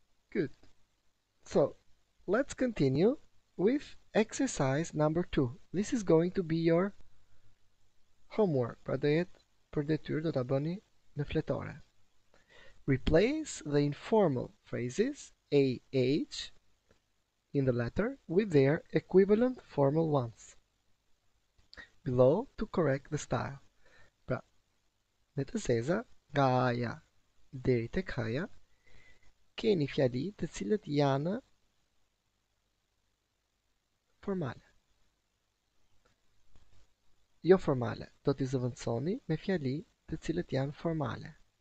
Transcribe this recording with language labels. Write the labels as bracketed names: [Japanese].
[English] Good. So, let's continue with exercise number 2. This is going to be your homework. [Albanian] Pra do jetë për detyrë do ta bëni në fletore. [English] Replace the informal phrases AH in the letter with their equivalent formal ones. Below to correct the style. [Albanian] Pra në të zeza, nga aja deri tek haja, keni fjali të cilët janë formale. Jo formale, do t'i zëvendësoni me fjali të cilët janë formale.